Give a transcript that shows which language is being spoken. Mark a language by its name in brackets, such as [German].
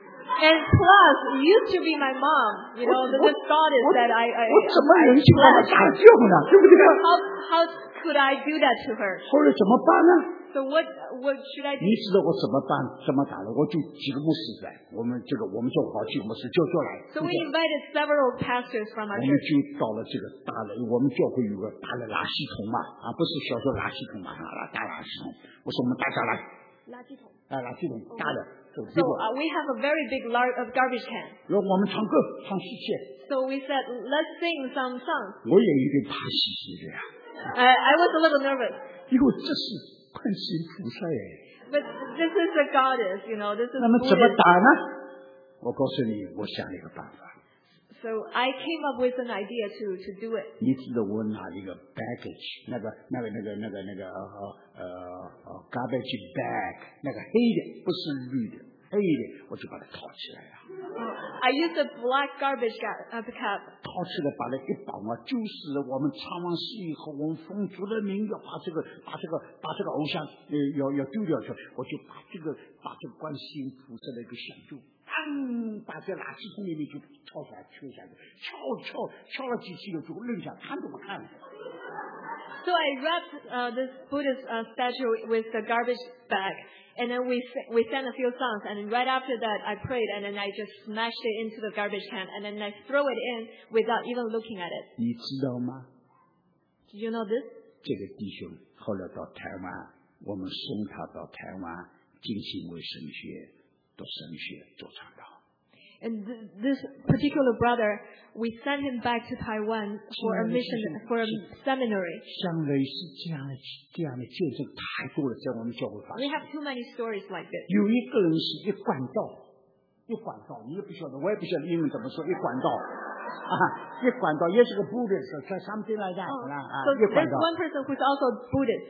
[English] And plus, used to be my mom. You know, this goddess that I. [Chinese] 我怎么能去把她打掉呢？对不对？ [English] How could I do that to her? [Chinese] 后来怎么办呢？ [English] So what should I do? [Chinese] 你知道我怎么办？怎么打了？我就几个牧师来，我们这个我们做好几个牧师就来。 [English] So we invited several pastors from our church. [Chinese] 我们就到了这个大垃，我们教会有个大的垃圾桶嘛，不是小的垃圾桶嘛，大垃圾桶。我说我们大家来。垃圾桶。哎，垃圾桶，大的。 [English] So we have a very big large of garbage can. [Chinese] 然后我们唱歌，唱 诗歌。 [English] So we said, let's sing some songs. [Chinese] 我也有点怕 诗歌的呀。 [English] I was a little nervous. [Chinese] 因为这是。观世音菩萨耶。But [English] this is a goddess, you know. This is. [Chinese] 那么怎么打呢？我告诉你，我想了一个办法。So [English] I came up with an idea to do it. [Chinese] 你知道我拿一个 baggage， 那个 garbage bag， 那个黑的，不是绿的，黑的，我就把它套起来了。 [English] I used a black garbage cup. [Chinese] 淘气的把那一绑啊，就是我们唱完诗以后，我们奉主的名要把这个偶像，要丢掉去，我就把这个观世音菩萨那个像就，砰，把这垃圾桶里面就跳出来，跳下去，敲了几次以后就扔下，看都不看。 [English] So I wrapped this Buddhist statue with the garbage bag, and then we sang a few songs, and then right after that I prayed, and then I just smashed it into the garbage can, and then I threw it in without even looking at it. [Chinese] 你知道吗？ [English] Do you know this? [Chinese] 这个弟兄后来到台湾，我们送他到台湾进行为神学，读神学，做传道。 [English] And this particular brother, we sent him back to Taiwan for a mission, for a seminary. [Chinese] 像类似这样的见证太多了，在我们教会发生。 [English] We have too many stories like this. [Chinese] 有一个人是一贯道，一贯道，你也不晓得，我也不晓得英文怎么说一贯道。啊，一贯道也是个 [English] Buddhist, something like that. So there's one person who's also Buddhist.